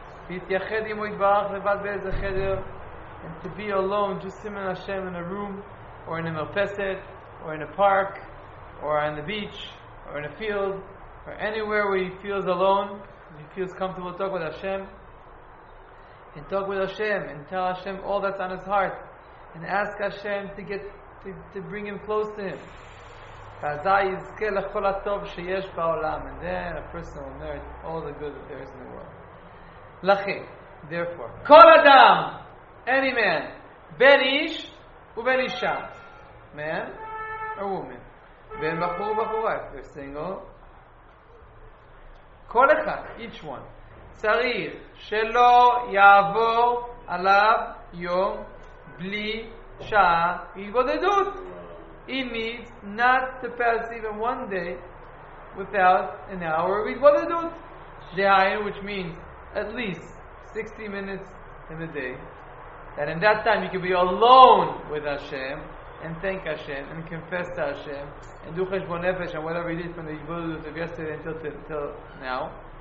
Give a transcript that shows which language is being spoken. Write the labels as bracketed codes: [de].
[he] להתייחד עם הוא יתברך לבד באיזה חדר, [en] and to be alone, just him and Hashem in a room, or in a merpeset, or in a park, or on the beach, or in a field, or anywhere where he feels alone, and he feels comfortable to talk with Hashem, and talk with Hashem, and tell Hashem all that's on his heart, and ask Hashem to bring him close to him. [he] ועזי יזכה לכל הטוב שיש בעולם, [en] and then a person will merit all the good that there is in the world. [he] לכן, [en] therefore, [he] כל אדם, [en] any man, [he] בן איש ובן אישה, [en] man or woman, [he] בן בחור ובחורה, [en] if they're single, [he] כל אחד, [en] each one, [he] צריך שלא יעבור עליו יום בלי שעה התבודדות. [en] He needs not to pass even one day without an hour of התבודדות. דהיינו, which means at least 60 minutes in a day, that in that time you can be alone with Hashem and thank Hashem and confess to Hashem and do cheshbon nefesh and whatever he did from the yitbodedut of yesterday until now.